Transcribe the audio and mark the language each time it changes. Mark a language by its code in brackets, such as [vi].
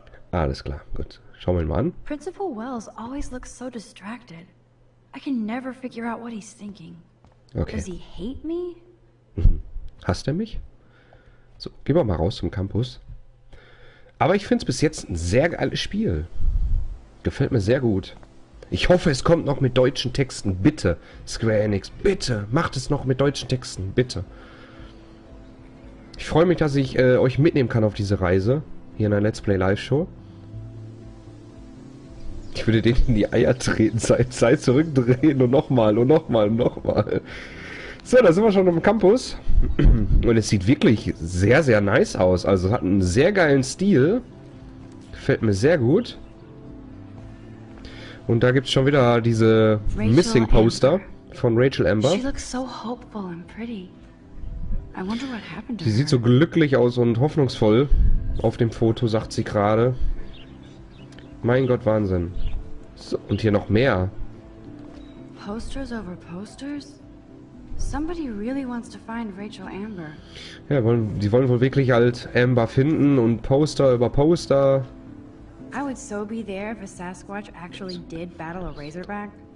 [de] Alles klar, gut, schauen wir ihn mal an. [en] Principal Wells always looks so distracted. I can never figure out what he's thinking. Okay. Does he hate me? [de] Hasst er mich? So, geh mal raus zum Campus. Aber ich finde es bis jetzt ein sehr geiles Spiel. Gefällt mir sehr gut. Ich hoffe, es kommt noch mit deutschen Texten. Bitte, Square Enix. Bitte, macht es noch mit deutschen Texten. Bitte. Ich freue mich, dass ich euch mitnehmen kann auf diese Reise. Hier in der Let's Play Live Show. Ich würde denen in die Eier treten. Sei zurückdrehen und nochmal und nochmal und nochmal. So, da sind wir schon am Campus. Und es sieht wirklich sehr, sehr nice aus. Also hat einen sehr geilen Stil. Gefällt mir sehr gut. Und da gibt es schon wieder diese Rachel Missing Poster Amber. Von Rachel Amber. [en] She looks so hopeful and pretty. I wonder what happened to [de] sie [en] her. [de] Sieht so glücklich aus und hoffnungsvoll auf dem Foto, sagt sie gerade. Mein Gott, Wahnsinn. So, und hier noch mehr. [en] Posters over posters? Somebody really wants to find Rachel Amber. [de] Ja, die wollen wohl wirklich halt Amber finden und Poster über Poster. [en] I would so be there if a Sasquatch actually did battle a Razorback.